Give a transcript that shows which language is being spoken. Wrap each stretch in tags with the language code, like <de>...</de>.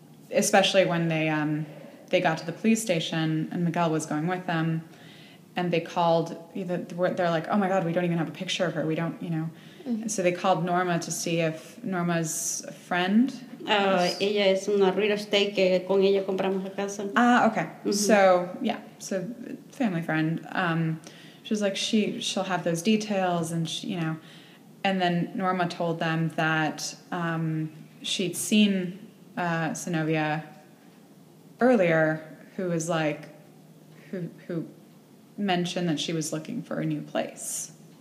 <en>Especially when they got to the police station and Miguel was going with them, and they called, they're like, oh my God, we don't even have a picture of her. We don't, you know. And so they called Norma to see if Norma's a friend.</en> <es>Ella es una real estate que con ella compramos la casa.</es> <en>Ah, okay. So, yeah, so family friend. She was like, she'll have those details, and she, you know. And then Norma told them that she'd seen Sonovia earlier, who was like, who mentioned that she was looking for a new place.</en>